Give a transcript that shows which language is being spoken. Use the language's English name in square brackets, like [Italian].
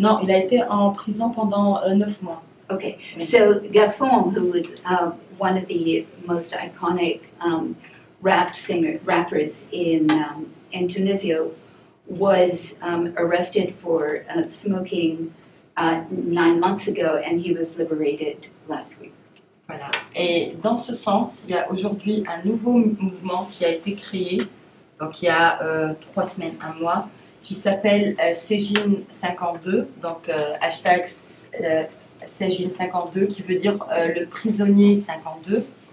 [French] Non, il a été en prison pendant 9 mois. [English] Okay. So Gaffon, who was one of the most iconic rappers in Tunisia, was arrested for smoking 9 months ago, and he was liberated last week. [French] Voilà. Et dans ce sens, il y a aujourd'hui un nouveau mouvement qui a été créé, donc il y a 3 semaines, 1 mois, qui s'appelle Cégine52, donc hashtag Cégine52, qui veut dire le prisonnier 52.